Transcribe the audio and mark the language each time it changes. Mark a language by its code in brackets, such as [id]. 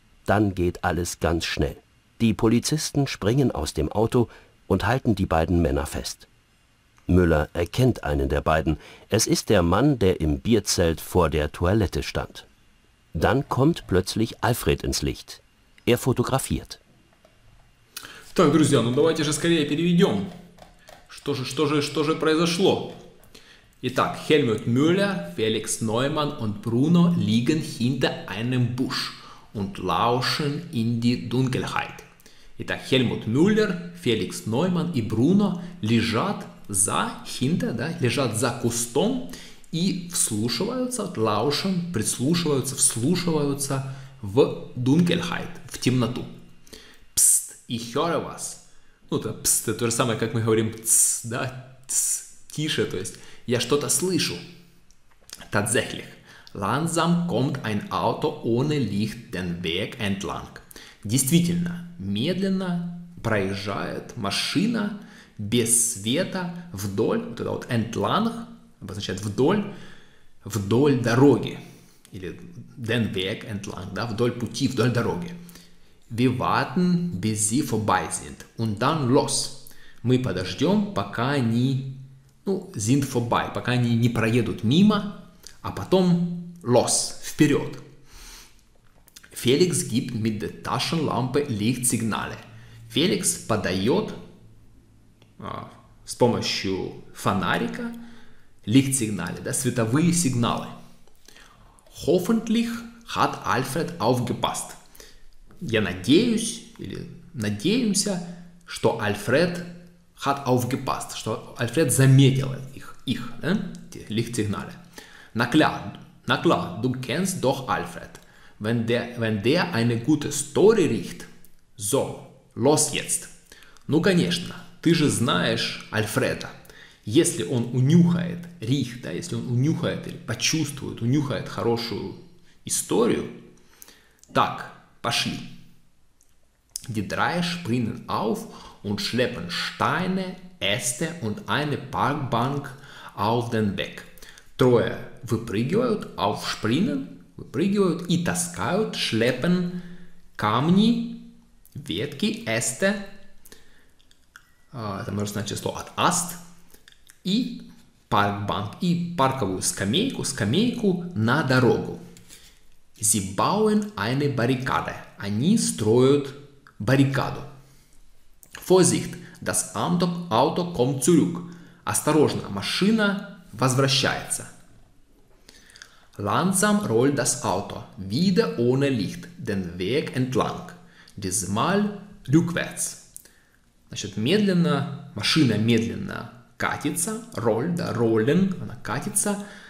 [de] Dann geht alles ganz schnell. Die Polizisten springen aus dem Auto und halten die beiden Männer fest. Müller erkennt einen der beiden. Es ist der Mann, der im Bierzelt vor der Toilette stand. Dann kommt plötzlich Alfred ins Licht. Er fotografiert. [ru] Так, друзья, ну давайте же скорее переведем. Что же произошло? [de] Итак, Helmut Müller, Felix Neumann und Bruno liegen hinter einem Busch und lauschen in die Dunkelheit. [ru] Итак, Helmut Müller, Felix Neumann и Bruno лежат за кустом и прислушиваются в Dunkelheit, в темноту. [de] Ich höre was. [ru] Ну, это пст, это то же самое, как мы говорим ц, да, ц, тише, то есть я что-то слышу. [de] Tatsächlich. Langsam kommt ein Auto ohne Licht den Weg entlang. [ru] Действительно, медленно проезжает машина без света вдоль, вот это вот entlang, обозначает вдоль дороги. Или [de] den Weg entlang, [ru] да, вдоль пути, вдоль дороги. [de] Wir warten, bis sie vorbei sind. Und dann los. [ru] Мы подождем, пока они, ну, [de] sind vorbei, [ru] пока они не проедут мимо, а потом los, вперед. [de] Felix gibt mit der Taschenlampe Lichtsignale. [ru] Felix подает с помощью фонарика Lichtsignale, да, световые сигналы. [de] Hoffentlich hat Alfred aufgepasst. [ru] Я надеюсь, или надеемся, что Альфред [de] hat aufgepasst, [ru] что Альфред заметил их, да? [de] Lichtsignale. Na klar, du kennst doch Alfred. Wenn der eine gute Story riecht, so, los jetzt. [ru] Ну, конечно, ты же знаешь Альфреда. Если он унюхает, riecht, да, если он унюхает или почувствует, унюхает хорошую историю, так, пошли. [de] Die drei springen auf und schleppen Steine, Äste und eine Parkbank auf den Weg. [ru] Трое выпрыгивают, aufspringen, выпрыгивают и таскают, schleppen камни, ветки, Äste, это может значить слово от аст, и Parkbank, и парковую скамейку на дорогу. [de] Sie bauen eine Barrikade. [ru] Они строят баррикаду. [de] Vorsicht, das Auto kommt zurück. [ru] Осторожно, машина возвращается. [de] Langsam rollt das Auto wieder ohne Licht den Weg entlang. Diesmal rückwärts. [ru] Значит, машина медленно катится, она катится.